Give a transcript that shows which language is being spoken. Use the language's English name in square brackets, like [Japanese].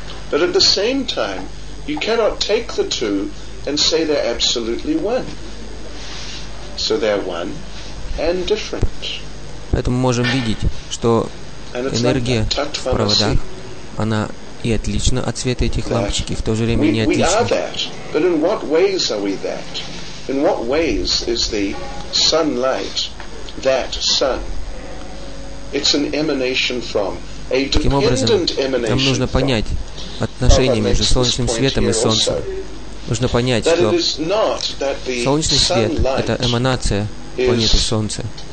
[English] But at the same time, you cannot take the two and say they're absolutely one. So they're one and different. [Russian] Поэтому мы можем видеть, что энергия в проводах, она и отлична от света этих лампочек, и в то же время не отлична. [English] We are that, but in what ways are we that? In what ways is the sunlight that sun? It's an emanation from a dependent emanation. [Russian] Нам нужно понять отношение между солнечным светом и солнцем. Нужно понять, что солнечный свет — это эманация планеты Солнца.